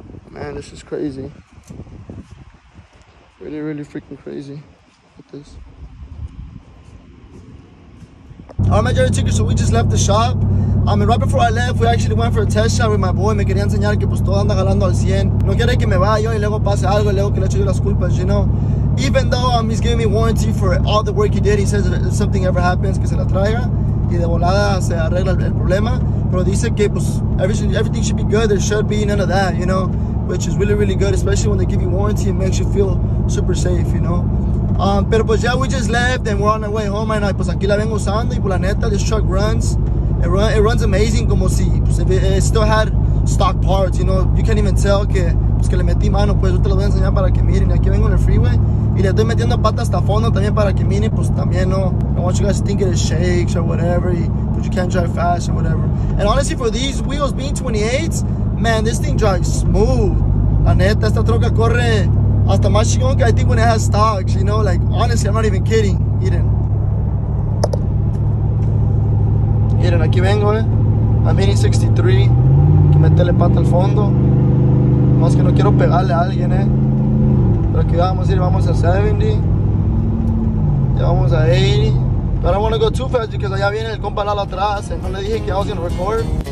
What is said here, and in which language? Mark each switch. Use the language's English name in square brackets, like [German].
[English] Man, this is crazy. Really, really freaking crazy with this. All right, my Jerry Tickers, so we just left the shop. And right before I left, we actually went for a test shot with my boy. [Spanish] Me quería enseñar que pues todo anda jalando al 100. No quiere que me vaya y luego pase algo y luego que le eche yo las culpas, [English] you know? Even though he's giving me warranty for all the work he did, he says that if something ever happens, [Spanish] que se la traiga y de volada se arregla el problema. Pero dice que pues [English] everything should be good. There should be none of that, you know? Which is really, really good, especially when they give you warranty. It makes you feel super safe, you know? [Spanish] Pero pues ya, [English] we just left and we're on our way home right now. [Spanish] Pues aquí la vengo usando y pues la neta, [English] this truck runs. It runs amazing, [Spanish] como si pues, [English] it still had stock parts, you know? You can't even tell [Spanish] que, pues, que le metí mano, pues yo te lo voy a enseñar para que miren. Aquí vengo en el freeway y le estoy metiendo pata hasta fondo también para que miren, pues también, no. [English] I don't want you guys to think it shakes or whatever, but you can't drive fast or whatever. And honestly, for these wheels being 28s, man, this thing drives smooth. [Spanish] La neta, esta troca corre hasta más chingón que [English] I think when it has stocks, you know? Like, honestly, I'm not even kidding, Eden. [Spanish] Miren, aquí vengo, a Mini 63, que metele pata al fondo. Más que no quiero pegarle a alguien, Pero aquí vamos a ir, vamos a 70. Ya vamos a 80. [English] But I don't want to go too fast because [Spanish] allá viene el compa Lalo atrás. No le dije que [English] I was going to record.